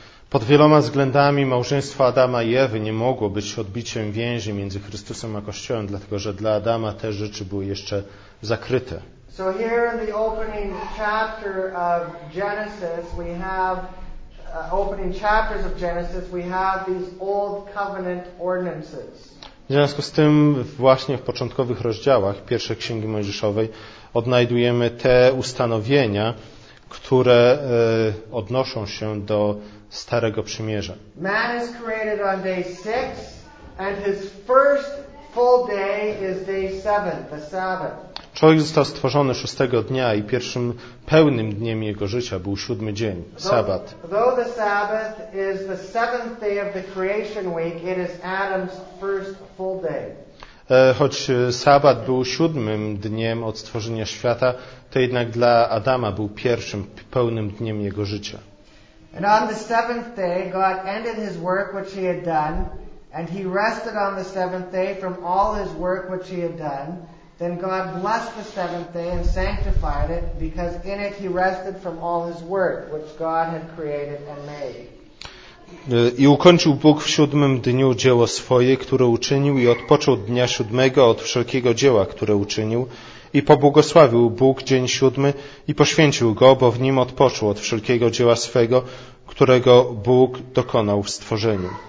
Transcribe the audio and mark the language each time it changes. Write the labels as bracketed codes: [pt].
[pl] Pod wieloma względami małżeństwo Adama i Ewy nie mogło być odbiciem więzi między Chrystusem a Kościołem, dlatego że dla Adama te rzeczy były jeszcze zakryte. [en] So here in the opening chapter of Genesis, we have opening chapters of Genesis, we have these old covenant ordinances. [pl] W związku z tym właśnie w początkowych rozdziałach pierwszej Księgi Mojżeszowej odnajdujemy te ustanowienia, które odnoszą się do Starego Przymierza. [en] Man is created on day six, and his first full day is day seven, the Sabbath. [pl] Człowiek został stworzony szóstego dnia i pierwszym pełnym dniem jego życia był siódmy dzień, sabat. [en] Though the Sabbath is the seventh day of the creation week, it is Adam's first full day. [pl] Choć sabat był siódmym dniem od stworzenia świata, to jednak dla Adama był pierwszym pełnym dniem jego życia. [en] And on the seventh day, God ended his work which he had done, and he rested on the seventh day from all his work which he had done. Then God blessed the seventh day and sanctified it, because in it he rested from all his work which God had created and made. [pl] I ukończył Bóg w siódmym dniu dzieło swoje, które uczynił, i odpoczął dnia siódmego od wszelkiego dzieła, które uczynił. I pobłogosławił Bóg dzień siódmy i poświęcił go, bo w nim odpoczął od wszelkiego dzieła swego, którego Bóg dokonał w stworzeniu.